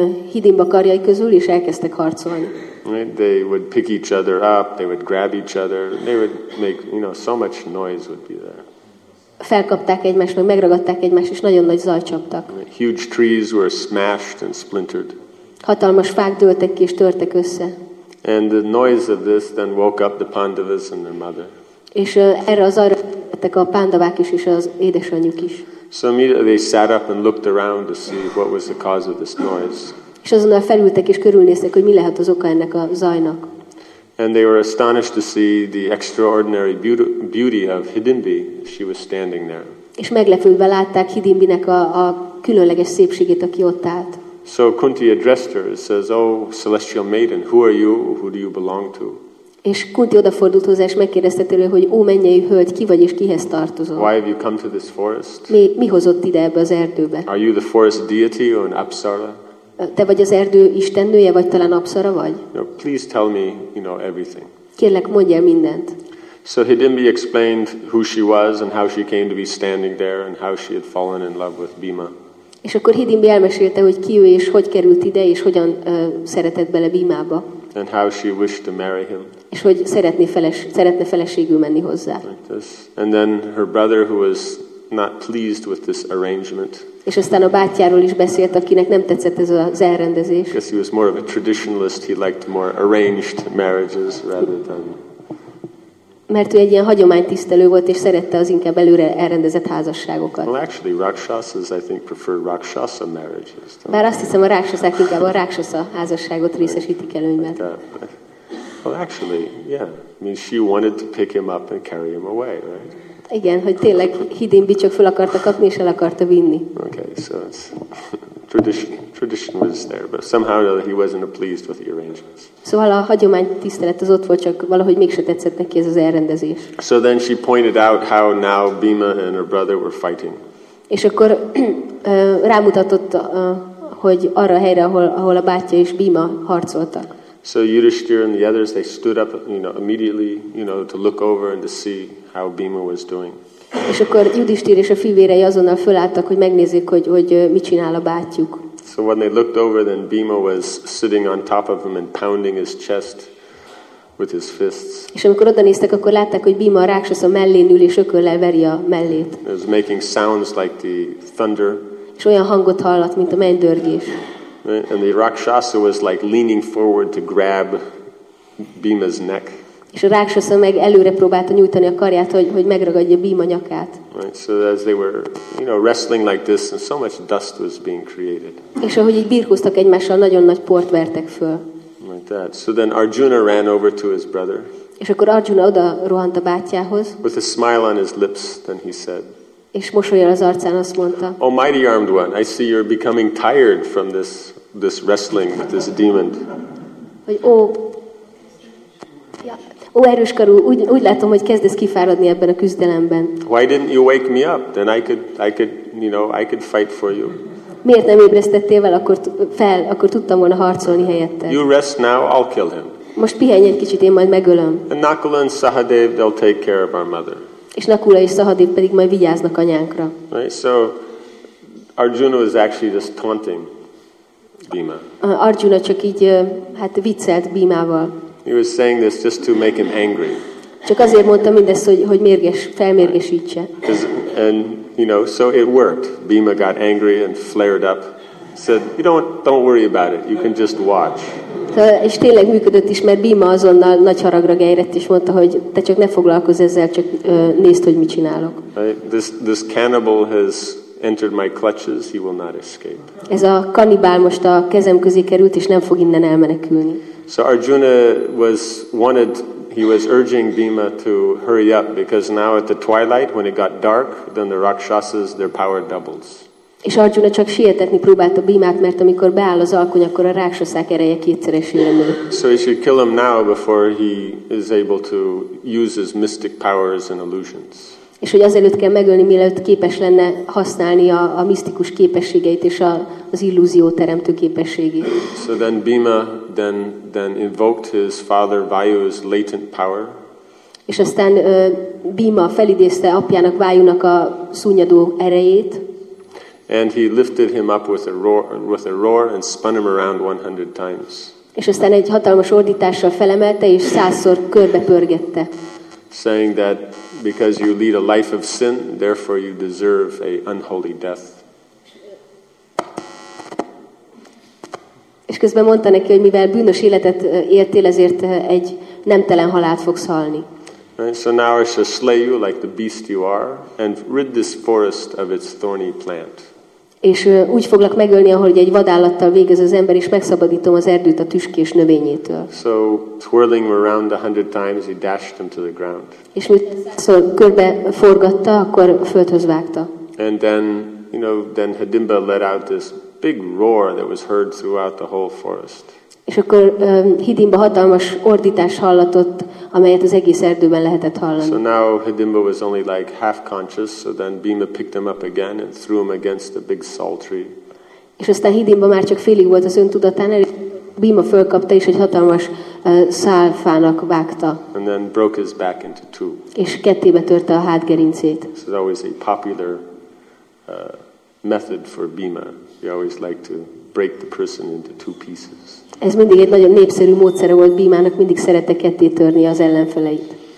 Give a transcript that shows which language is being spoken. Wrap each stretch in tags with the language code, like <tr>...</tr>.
<hu>hídimba karjai közül, és elkezdtek harcolni.</hu> <en>Right? They would pick each other up, they would grab each other, they would make, you know, so much noise would be there.</en> <hu>Felkapták egymást, meg megragadták egymást, és nagyon nagy zaj csaptak.</hu> <en>Huge trees were smashed and splintered.</en> <hu>Hatalmas fák dőltek ki, és törtek össze.</hu> <en>And the noise of this then woke up the Pandavas and their mother.</en> <hu>És erre a zajra tettek a pándavák is, és az édesanyjuk is.</hu> <en>So immediately they sat up and looked around to see what was the cause of this noise.</en> <hu>És azonnal felültek és körülnéztek, hogy mi lehet az oka ennek a zajnak.</hu> <en>And they were astonished to see the extraordinary beauty of Hidimbi. She was standing there.</en> <hu>És meglepődve látták Hidimbinek a különleges szépségét, aki ott állt.</hu> <en>So Kunti addressed her and says, "Oh, celestial maiden, who are you? Who do you belong to?"</en> <hu>És Kunti odafordult hozzá, és megkérdezte tőle, hogy ó, mennyei hölgy, ki vagy és kihez tartozol?</hu> <en>Why have you come to this forest?</en> <hu>Mi hozott ide ebbe az erdőbe?</hu> <en>Are you the forest deity or an apsara?</en> <hu>Te vagy az erdő istennője, vagy talán apsara vagy?</hu> <en>No, please tell me, you know, everything.</en> <hu>Kérlek, mondj el mindent.</hu> <en>So Hidimbi explained who she was and how she came to be standing there and how she had fallen in love with Bhima.</en> <hu>És akkor Hidimbi elmesélte, hogy ki ő és hogy került ide, és hogyan szeretett bele Bhimába.</hu> <en>And how she wished to marry him.</en> <hu>És hogy szeretne feleségül menni hozzá.</hu> <en>And then her brother, who was not pleased with this arrangement.</en> <hu>És aztán a bátyáról is beszélt, akinek nem tetszett ez az elrendezés.</hu> <en>Because he was more of a traditionalist, he liked more arranged marriages rather than.</en> <hu>Mert ő egy ilyen hagyománytisztelő volt, és szerette az inkább előre elrendezett házasságokat.</hu> <en>Well, actually, rakshasas, I think, prefer rakshasa marriages.</en> <hu>Bár azt hiszem, a rakshasák inkább a rakshasa házasságot részesítik előnyben.</hu> <en>Well, actually, yeah. I mean, she wanted to pick him up and carry him away, right?</en> <hu>Igen, hogy tényleg Hidimbi csak fel akarta kapni, és el akarta vinni.</hu> <en>Okay, so it's tradition was there, but somehow he wasn't pleased with the arrangements.</en> <hu>Szóval a hagyomány tisztelet az ott volt, csak valahogy mégse tetszett neki ez az elrendezés.</hu> <en>So then she pointed out how now Bhima and her brother were fighting.</en> <hu>És akkor rámutatott, hogy arra a helyre, ahol a bátyja és Bhima harcoltak.</hu> <en>So Yudhishthir and the others, they stood up, you know, immediately, you know, to look over and to see how Bhima was doing.</en> <hu>És akkor Yudhishthir és a fivérei azonnal fölálltak, hogy megnézzék, hogy mit csinál a bátyjuk.</hu> <en>So when they looked over, then Bhima was sitting on top of him and pounding his chest with his fists.</en> <hu>És amikor oda néztek, akkor látták, hogy Bhima a rákshasa mellén ül és ököllel veri a mellét.</hu> <en>He was making sounds like the thunder.</en> <hu>És olyan hangot hallott, mint a mennydörgés.</hu> <en>And the rakshasa was like leaning forward to grab Bhima's neck.</en> <hu>És a rákshasa meg előre próbálta nyújtani a karját, hogy megragadja Bhima nyakát.</hu> <en>Right, so as they were, you know, wrestling like this, and so much dust was being created.</en> <hu>És ahogy így birkóztak egymással, nagyon nagy port vertek föl.</hu> <en>Like that. So then Arjuna ran over to his brother.</en> <hu>És akkor Arjuna oda rohant a bátyjához.</hu> <en>With a smile on his lips, then he said.</en> <hu>És mosolyal az arcán azt mondta.</hu> <en>Oh, mighty armed one, I see you're becoming tired from this wrestling with this demon.</en> <hu>Hogy ó, erős karú, úgy látom, hogy kezdesz kifáradni ebben a küzdelemben.</hu> <en>Why didn't you wake me up? Then I could, you know, I could fight for you.</en> <hu>Miért nem ébresztettél vele, akkor tudtam volna harcolni helyetted.</hu> <en>You rest now, I'll kill him.</en> <hu>Most pihenj egy kicsit, én majd megölöm.</hu> <en>And Nakula and Sahadev, they'll take care of our mother.</en> <hu>És Nakula és Sahadev pedig majd vigyáznak anyánkra.</hu> <en>Right, so Arjuna was actually just taunting Bhima.</en> <hu>Arjuna csak így, hát viccelt Bhimával.</hu> <en>He was saying this just to make him angry.</en> <hu>Csak azért mondta mindezt, hogy mérges, felmérgesítse.</hu> <en>And you know, so it worked. Bhima got angry and flared up. Said, "You don't worry about it. You can just watch."</en> <hu>És tényleg működött is, mert Bhima azonnal nagy haragra gerjedt és mondta, hogy te csak ne foglalkozz ezzel, csak nézd, hogy mit csinálok.</hu> <en>This cannibal has entered my clutches. He will not escape.</en> <hu>Ez a kannibál most a kezem közé került és nem fog innen elmenekülni.</hu> <en>So Arjuna was urging Bhima to hurry up because now at the twilight when it got dark, then the rakshasas, their power doubles.</en> <hu>És Arjuna csak sietetni próbálta Bhimát, mert amikor beáll az alkony, akkor a rákshasák ereje kétszeresére nő.</hu> <en>So he should kill him now before he is able to use his mystic powers and illusions.</en> <hu>És hogy azelőtt kell megölni, mielőtt képes lenne használni a misztikus képességeit és az illúzió teremtő képességét.</hu> <en>So then Bhima then invoked his father Vayu's latent power.</en> <hu>És aztán Bhima felidézte apjának Vayunak a szúnyadó erejét.</hu> <en>And he lifted him up with a roar and spun him around 100 times.</en> <hu>És aztán egy hatalmas ordítással felemelte és 100-szor körbe pörgette.</hu> <en>Saying that because you lead a life of sin, therefore you deserve a unholy death.</en> <hu>És közben mondta neki, hogy mivel bűnös életet éltél, ezért egy nemtelen halált fogsz halni.</hu> <en>Right, so now I shall slay you like the beast you are and rid this forest of its thorny plant.</en> <hu>És úgy foglak megölni, ahogy egy vadállattal végez az ember, és megszabadítom az erdőt a tüskés növényétől.</hu> <en>So twirling around 100 times, he dashed him to the ground.</en> <hu>És mit szor körbe forgatta, akkor földhöz vágta.</hu> <en>And then, you know, then Hidimba let out this big roar that was heard throughout the whole forest.</en> <hu>És akkor Hidimba hatalmas ordítás hallatott, amelyet az egész erdőben lehetett hallani.</hu> <en>So now Hidimba was only like half conscious, so then Bhima picked him up again and threw him against a big salt tree.</en> <hu>És aztán Hidimba már csak félig volt az öntudatánál, és Bhima fölkapta és egy hatalmas szálfának vágta.</hu> <en>And then broke his back into two.</en> <hu>És kettébe törte a hátgerincét.</hu> <en>So that was a popular method for Bhima. He always liked to break the person into two pieces.</en> <hu>Ez mindig egy nagyon népszerű módszere volt Bhimának, mindig szerette ketté törni az ellenfeleit.</hu>